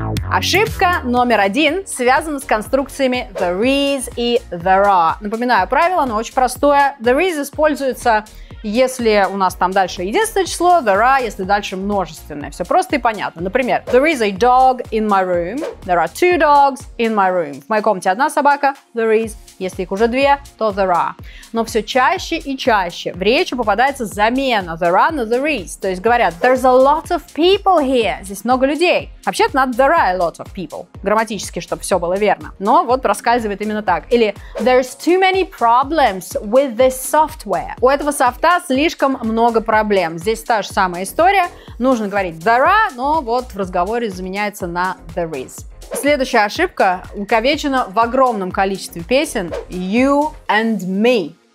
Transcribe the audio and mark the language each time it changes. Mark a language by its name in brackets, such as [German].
[Russian] Ошибка номер один связана с конструкциями there is и there are. Напоминаю, правило, оно очень простое. There is используется, если у нас там дальше единственное число, there are, если дальше множественное. Все просто и понятно. [English] Например, there is a dog in my room. There are two dogs in my room. [Russian] В моей комнате одна собака, there is. Если их уже две, то there are. Но все чаще и чаще в речи попадается замена there are на there is. То есть говорят, [English] there's a lot of people here. [Russian] Здесь много людей. Вообще-то надо [English] there are a lot of people. [Russian] Грамматически, чтобы все было верно. Но вот проскальзывает именно так. Или [English] there's too many problems with this software. [Russian] У этого софта слишком много проблем. Здесь та же самая история. Нужно говорить there are, но вот в разговоре заменяется на there is. Следующая ошибка увековечена в огромном количестве песен You and Me.